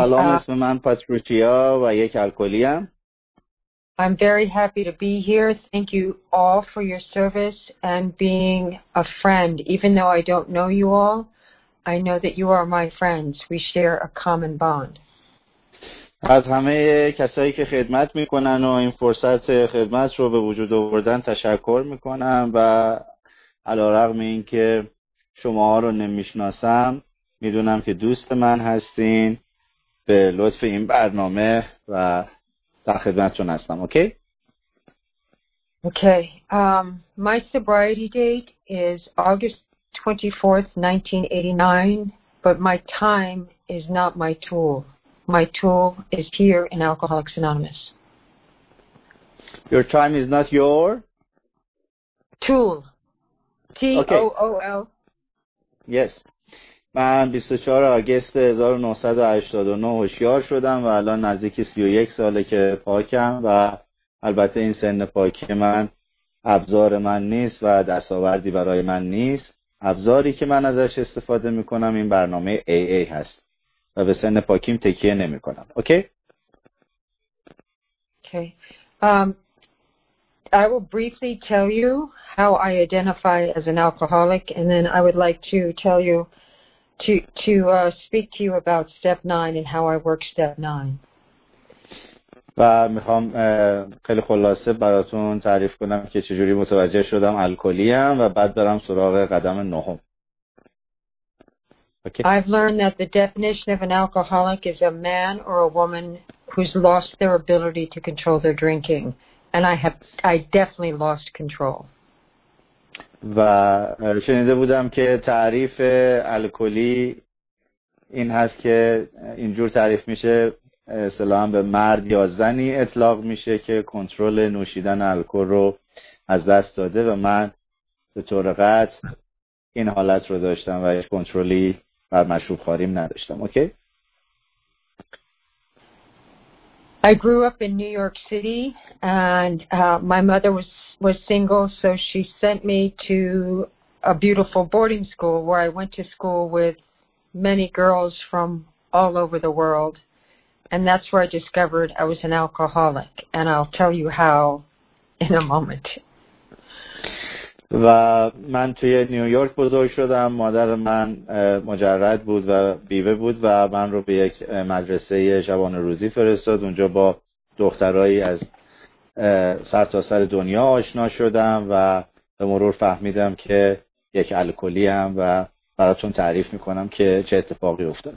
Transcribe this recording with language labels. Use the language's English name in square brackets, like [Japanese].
[Persian] سلام، اسم من پاتریشیا و یک الکلی ام. [English] I'm very happy to be here. Thank you all for your service and being a friend. Even though I don't know you all, I know that you are my friends. We share a common bond. [Persian] از همه کسایی که خدمت میکنن و این فرصت خدمت رو به وجود آوردن تشکر میکنم و علارغم اینکه شما رو نمیشناسم، میدونم که دوست من هستین. به لطف این برنامه و در خدمتتون هستم. [English] Okay? Okay. My sobriety date is August 24th, 1989, but my time is not my tool. My tool is here in Alcoholics Anonymous. Your time is not your tool. T-O-O-L. Okay. Yes. [Persian] من 24 آگست 1989 هوشیار شدم و الان نزدیک 31 ساله که پاکم و البته این سن پاکی من ابزار من نیست و دستاوردی برای من نیست. ابزاری که من ازش استفاده میکنم این برنامه AA هست و به سن پاکیم تکیه نمیکنم. [English] Okay? I will briefly tell you how I identify as an alcoholic and then I would like to tell you to speak to you about step 9 and how I work step 9. [Persian] و میخوام خیلی خلاصه براتون تعریف کنم که چجوری متوجه شدم الکلی ام و بعد برم سراغ قدم نهم. [English] Okay. I've learned that the definition of an alcoholic is a man or a woman who's lost their ability to control their drinking and I definitely lost control. [Persian] و شنیده بودم که تعریف الکلی این هست که اینجور تعریف میشه، اصطلاحاً به مرد یا زنی اطلاق میشه که کنترل نوشیدن الکل رو از دست داده و من به طور قطع این حالت رو داشتم و هیچ کنترلی بر مشروب خوریم نداشتم. [English] Okay. I grew up in New York City and my mother was single, so she sent me to a beautiful boarding school where I went to school with many girls from all over the world, and that's where I discovered I was an alcoholic, and I'll tell you how in a moment. [Persian] و من توی نیویورک بزرگ شدم. مادر من مجرد بود و بیوه بود و من رو به یک مدرسه شبانه روزی فرستاد. اونجا با دخترایی از سر تا سر دنیا آشنا شدم و به مرور فهمیدم که یک الکلی ام و براتون تعریف میکنم که چه اتفاقی افتاد.